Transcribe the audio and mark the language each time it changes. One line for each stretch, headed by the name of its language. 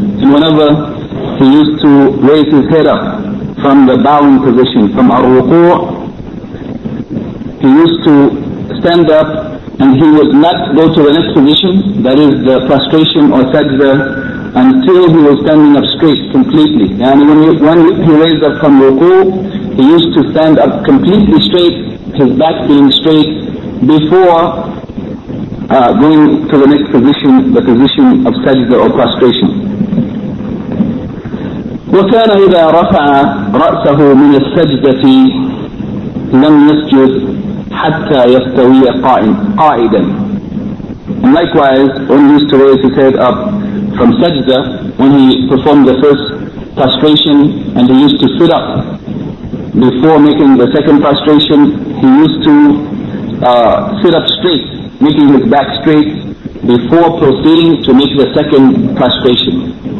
English: And whenever he used to raise his head up from the bowing position, from ar-ruku', he used to stand up and he would not go to the next position, that is the prostration or sajda, until he was standing up straight completely. And when he raised up from ruku', he used to stand up completely straight, his back being straight, before going to the next position, the position of sajda or prostration.
Arabic: وكان إذا رفع رأسه من السجدة لم يسجد حتى يستوي قائدا.
English: And likewise, when he used to raise his head up from sajda, when he performed the first prostration and he used to sit up before making the second prostration, he used to sit up straight, making his back straight before proceeding to make the second prostration.